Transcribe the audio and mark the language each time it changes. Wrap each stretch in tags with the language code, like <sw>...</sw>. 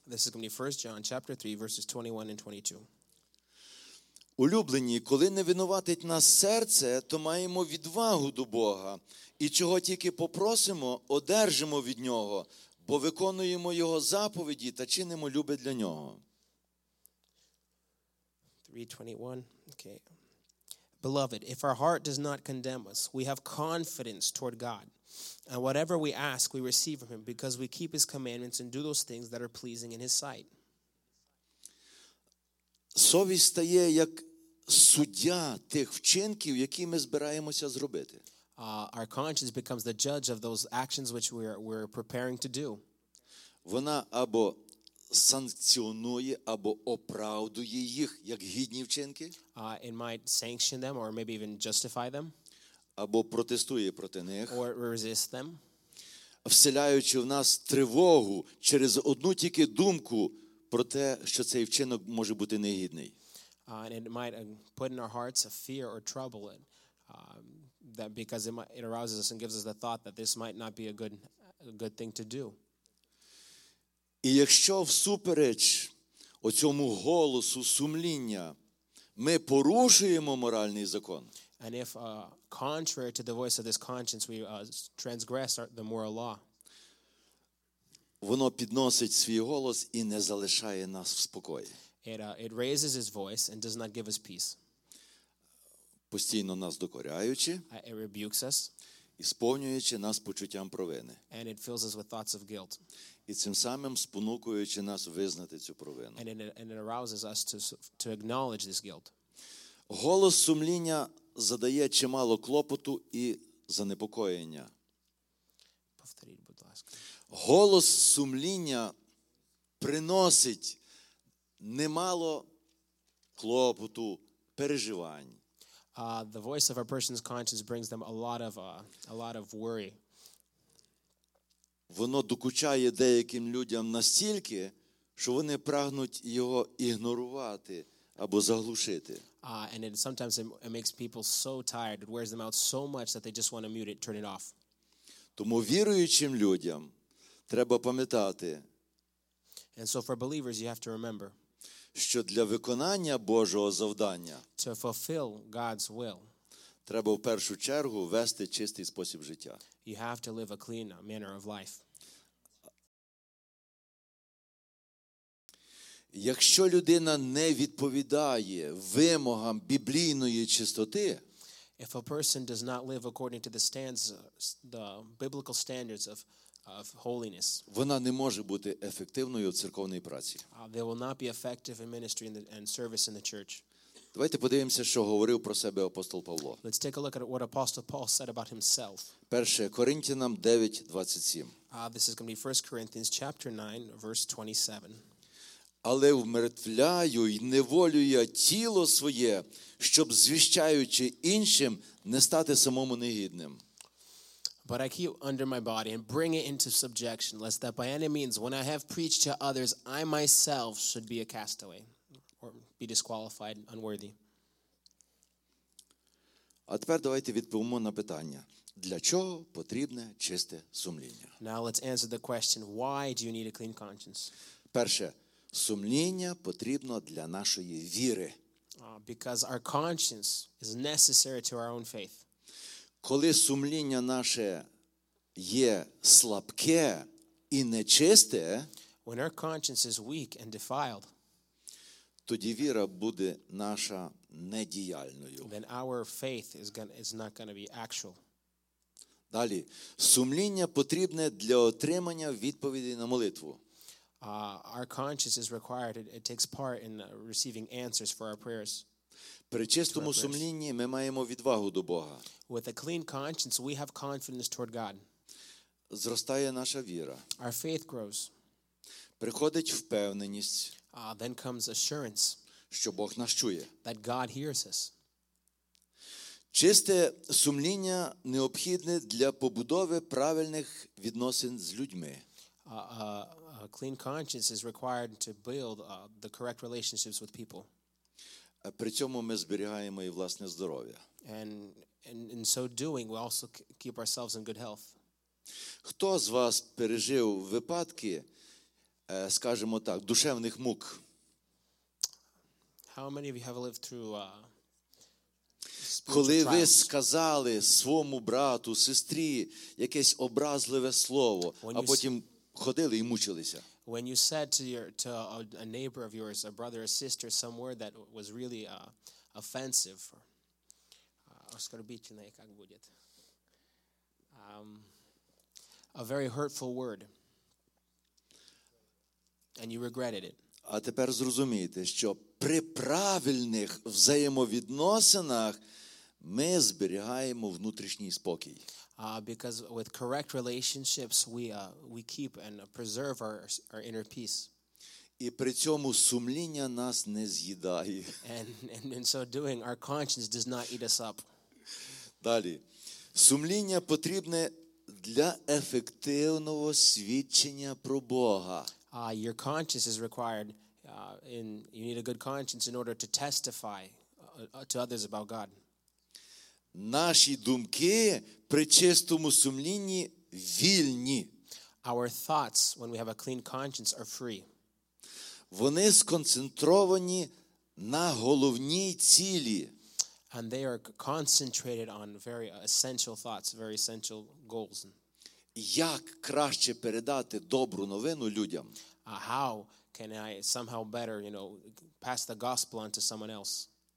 <en>This is going to be 1 John chapter 3, verses 21 and 22.</en> <uk>Улюблені, коли не винуватить нас серце, то маємо відвагу до Бога. І чого тільки попросимо, одержимо від Нього, бо виконуємо Його заповіді та чинимо любе для Нього.</uk> <en>3:21. Okay. Beloved, if our heart does not condemn us, we have confidence toward God. And whatever we ask, we receive from Him, because we keep His commandments and do those things that are pleasing in His sight.</en> <uk>Совість стає як суддя тих вчинків, які ми збираємося зробити.</uk> <en>Our conscience becomes the judge of those actions which we're preparing to do.</en> <uk>Вона або санкціонує, або оправдує їх як гідні вчинки.</uk> <en>It might sanction them or maybe even justify them.</en> <uk>Або протестує проти них.</uk> <en>Or resist them.</en> <uk>Вселяючи в нас тривогу через одну тільки думку про те, що цей вчинок може бути негідний.</uk> <en>And it might put in our hearts a fear or trouble that because it arouses us and gives us the thought that this might not be a good thing to do.</en> <uk>І якщо всупереч оцьому голосу сумління ми порушуємо моральний закон.</uk> <en>And if contrary to the voice of this conscience we transgress the moral law.</en> <uk>Воно підносить свій голос і не залишає нас в спокої.</uk> <en>It raises his voice and does not give us peace.</en> <uk>Постійно нас докоряючи,</uk> <en>it rebukes us,</en> <uk>і сповнюючи нас почуттям провини.</uk> <en>And it fills us with thoughts of guilt.</en> <uk>І цим самим спонукуючи нас визнати цю провину.</uk> <en>And it arouses us to acknowledge this guilt.</en> <uk>Голос сумління задає чимало клопоту і занепокоєння. Повторіть, будь ласка. Голос сумління приносить немало клопоту, переживань.</uk> <en>The voice of a person's conscience brings them a lot of worry.</en> <uk>Воно докучає деяким людям настільки, що вони прагнуть його ігнорувати або заглушити.</uk> <en>And it sometimes it makes people so tired, it wears them out so much that they just want to mute it, turn it off.</en> <uk>Тому віруючим людям треба пам'ятати.</uk> <en>And so for believers you have to remember,</en> <uk>що для виконання Божого завдання</uk> <en>to fulfill God's will,</en> <uk>треба в першу чергу вести чистий спосіб життя.</uk> <en>You have to live a clean manner of life.</en> <uk>Якщо людина не відповідає вимогам біблійної чистоти,</uk> <en>if a person does not live according to the biblical standards of holiness,</en> <uk>вона не може бути ефективною в церковній праці.</uk> <en>They will not be effective in ministry and service in the church.</en> <uk>Давайте подивимося, що говорив про себе апостол Павло.</uk> <en>Let's take a look at what Apostle Paul said about himself.</en> <uk>1 Коринтянам 9:27.</uk> <en>This is going to be 1 Corinthians chapter 9, verse 27.</en> <uk>Але вмертвляю і неволю я тіло своє, щоб звіщаючи іншим, не стати самому негідним.</uk> <en>But I keep under my body and bring it into subjection, lest that by any means, when I have preached to others, I myself should be a castaway, or be disqualified, unworthy.</en> <uk>А тепер давайте відповімо на питання. Для чого потрібне чисте сумління?</uk> <en>Now let's answer the question, why do you need a clean conscience?</en> <uk>Перше. Сумління потрібно для нашої віри.</uk> <en>Because our conscience is necessary to our own faith.</en> <uk>Коли сумління наше є слабке і нечисте,</uk> <en>when our conscience is weak and defiled,</en> <uk>тоді віра буде наша недіяльною.</uk> <en>Then our faith is not going to be actual.</en> <uk>Далі. Сумління потрібне для отримання відповіді на молитву.</uk> <en>Our conscience is required. It takes part in receiving answers for our prayers.</en> <uk>При чистому сумлінні ми маємо відвагу до Бога.</uk> <en>With a clean conscience, we have confidence toward God.</en> <uk>Зростає наша віра.</uk> <en>Our faith grows.</en> <uk>Приходить впевненість.</uk> <en>Then comes assurance.</en> <uk>Що Бог нас чує.</uk> <en>That God hears us.</en> <uk>Чисте сумління необхідне для побудови правильних відносин з людьми.</uk> <en>A clean conscience is required to build the correct relationships with people.</en> <uk>При цьому ми зберігаємо і власне здоров'я.</uk> <en>And in so doing, we also keep ourselves in good health.</en> <uk>Хто з вас пережив випадки, скажімо так, душевних мук?</uk> <en>How many of you have lived through</en> <uk>Коли ви сказали своєму брату, сестрі якесь образливе слово, а потім ходили і мучилися.</uk> <en>When you said to a neighbor of yours, a brother, a sister, some word that was really offensive,</en> <ru>оскорбительное, как будет,</ru> <en>a very hurtful word, and you regretted it.</en> <uk>А тепер зрозумійте, що при правильних взаємовідносинах ми зберігаємо внутрішній спокій.</uk> <en>Because with correct relationships, we keep and preserve our inner peace.</en> <uk>І при цьому сумління нас не з'їдає.</uk> <en>And in so doing, our conscience does not eat us up.</en> <uk>Далі. Сумління потрібне для ефективного свідчення про Бога.</uk> <en>Your conscience is required. You need a good conscience in order to testify to others about God.</en> <uk>Наші думки при чистому сумлінні вільні.</uk> <en>Our thoughts, when we have a clean conscience, are free.</en> <uk>Вони сконцентровані на головній цілі.</uk> <en>And they are concentrated on very essential thoughts, very essential goals.</en> <uk>Як краще передати добру новину людям?</uk> <en>How can I somehow better, pass the gospel on to someone else?</en>